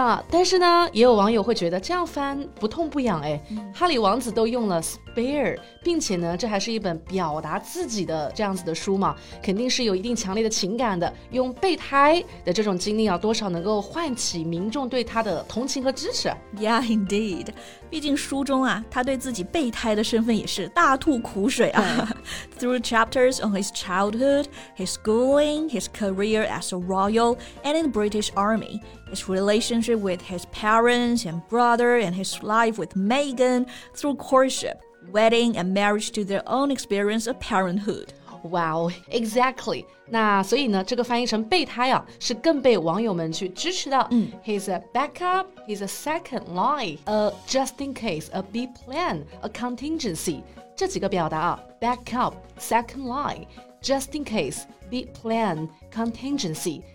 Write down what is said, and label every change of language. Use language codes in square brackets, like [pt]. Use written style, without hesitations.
[zh] 但是呢也有网友会觉得这样翻不痛不痒，哎、哈利王子都用了 spare, 并且呢这还是一本表达自己的这样子的书嘛，肯定是有一定强烈的情感的，用备胎的这种经历啊多少能够唤起民众对他的同情和支持。 [en] Yeah, indeed. [zh] 毕竟书中啊他对自己备胎的身份也是大吐苦水啊。 [en] Through chapters on his childhood, his schooling, his career as a royal, and in the British Army, his relationship with his parents and brother, and his life with Megan through courtship, wedding, and marriage to their own experience of parenthood. Wow, exactly. [zh] 那所以呢，这个翻译成备胎啊，是更被网友们去支持的。嗯、 [en] he's a backup, he's a second line, a just in case, a B plan, a contingency. [zh] 这几个表达啊 ，backup, second line, just in case, B plan, contingency.